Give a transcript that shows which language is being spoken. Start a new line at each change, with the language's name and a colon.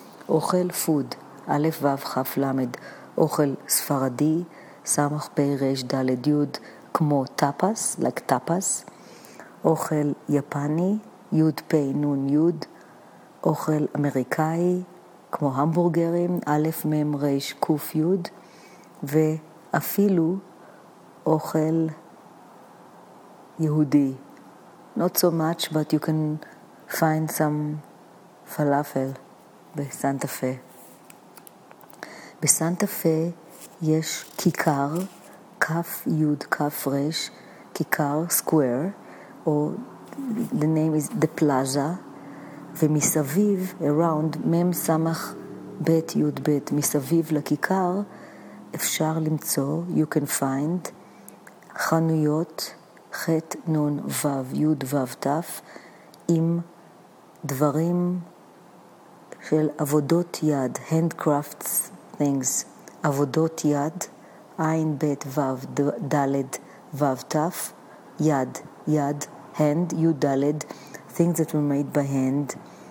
Hebrew: אוכל פוד, א' וו חף למד, אוכל ספרדי, סמך פיירש דלת יוד, כמו טאפס, like טאפס, אוכל יפני, יוד פי נון יוד, אוכל אמריקאי, כמו המבורגרים, א' מ' ר' ק' י', ואפילו אוכל יהודי.
English: Not so much, but you can find some falafel בסנטה פה.
Hebrew: בסנטה פה יש כיכר, כ' י' כ' ר', כיכר סקוויר,
English: or the name is the plaza,
Hebrew: ומסביב, around, מם סמך בית יוד בית מסביב לכיכר, אפשר למצוא,
English: you can find,
Hebrew: חנויות חת נון וו יוד וו תף, עם דברים של עבודות יד,
English: handcrafts things,
Hebrew: עבודות יד, עין בית וו דלת וו תף, יד, יד, hand, יוד דלת,
English: things that were made by hand.